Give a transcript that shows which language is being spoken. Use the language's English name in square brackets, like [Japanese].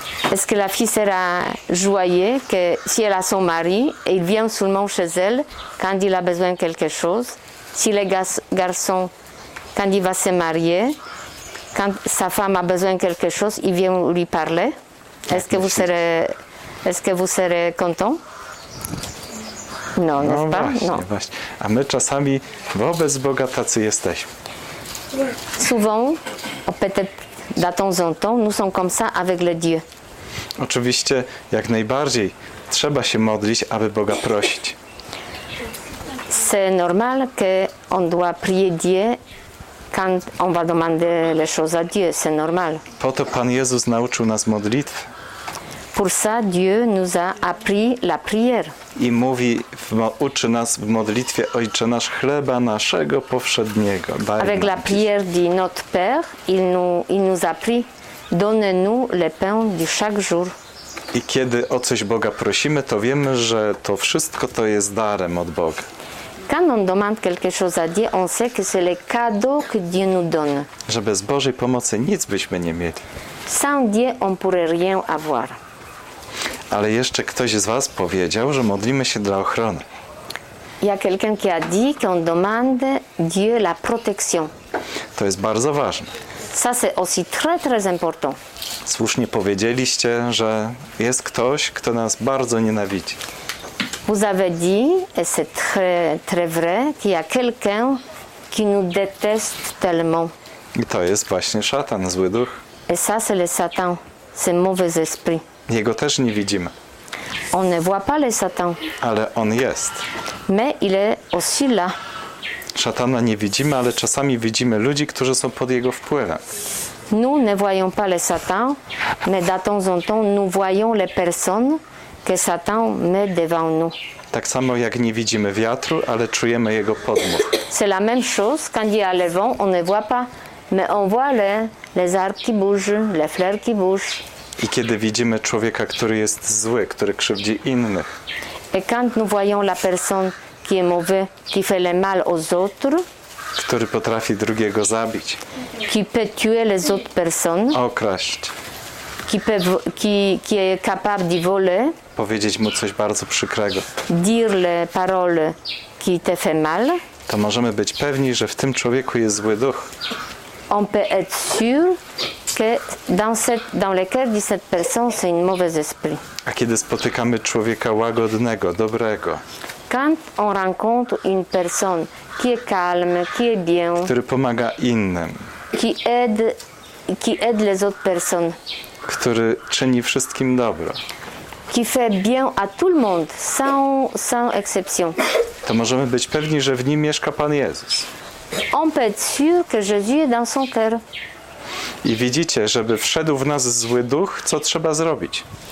[French] Est-ce que la fille sera joyeuse que si elle a son mari et il vient seulement chez elle quand il a besoin quelque chose? Si le garçon quand il va se marier, quand sa femme a besoin de quelque chose, il vient lui parler. Est-ce que vous serez content? Non, n'est-ce pas? Non. [Polish] A my czasami wobec Boga tacy jesteśmy. [French] Souvent, peut-être de temps en temps, nous sommes comme ça avec le Dieu. [Polish] Oczywiście, jak najbardziej trzeba się modlić, aby Boga prosić. [French] C'est normal que on doit prier Dieu. Quand on va demander les choses à Dieu, c'est normal. [Polish] Po to Pan Jezus nauczył nas modlitw. [French] Pour ça, Dieu nous a appris la prière. [Polish] I mówi, uczy nas w modlitwie Ojcze nasz chleba naszego powszedniego. Daj avec nam. [French] La prière de notre Père, il nous a appris, donne-nous le pain de chaque jour. [Polish] I kiedy o coś Boga prosimy, to wiemy, że to wszystko to jest darem od Boga. [French] Quand on demande quelque chose à Dieu, on sait que c'est le cadeau que Dieu nous donne. [Polish] Że bez Bożej pomocy nic byśmy nie mieli. [French] Sans Dieu, on pourrait rien avoir. [Polish] Ale jeszcze ktoś z was powiedział, że modlimy się dla ochrony. [French] Il y a quelqu'un qui a dit qu'on demande Dieu la protection. [Polish] To jest bardzo ważne. [French] Ça c'est aussi très très important. [Polish] Słusznie powiedzieliście, że jest ktoś, kto nas bardzo nienawidzi. [French] Vous avez dit, et c'est très, très vrai, qu'il y a quelqu'un qui nous déteste tellement. [Polish] I to jest właśnie szatan, zły duch. [French] Et ça, c'est le Satan, c'est mauvais esprit. [Polish] Jego też nie widzimy. [French] On ne voit pas le Satan. [Polish] Ale on jest. [French] Mais il est aussi là. [Polish] Szatana nie widzimy, ale czasami widzimy ludzi, którzy są pod jego wpływem. [French] Nous ne voyons pas le Satan, mais de temps en temps, nous voyons les personnes que Satan met devant nous. [Polish] Tak samo jak nie widzimy wiatru, ale czujemy jego podmuch. [French] C'est la même chose quand il y a le vent, on ne voit pas, mais on voit les arbres qui bougent, les fleurs qui bougent. [Polish] I kiedy widzimy człowieka, który jest zły, który krzywdzi innych. [French] Et quand nous voyons la personne qui est mauvaise, qui fait le mal aux autres, [Polish] który potrafi drugiego zabić, [French] qui peut tuer les autres personnes, [Polish] okraść, [French] qui est capable de voler, [Polish] powiedzieć mu coś bardzo przykrego, [French] dire le parole qui te fait mal, [Polish] to możemy być pewni, że w tym człowieku jest zły duch. [French] On peut être sûr que dans le cœur de cette personne c'est un mauvais esprit. [Polish] A kiedy spotykamy człowieka łagodnego, dobrego, [French] quand on rencontre une personne qui est calme, qui est bien, [Polish] który pomaga innym, [French] qui aide les autres personnes, [Polish] który czyni wszystkim dobro, [French] qui fait bien à tout le monde, sans exception. [Polish] To możemy być pewni, że w nim mieszka Pan Jezus. [French] On peut être sûr que Jésus est dans son cœur. [Polish] I widzicie, żeby wszedł w nas zły duch, co trzeba zrobić?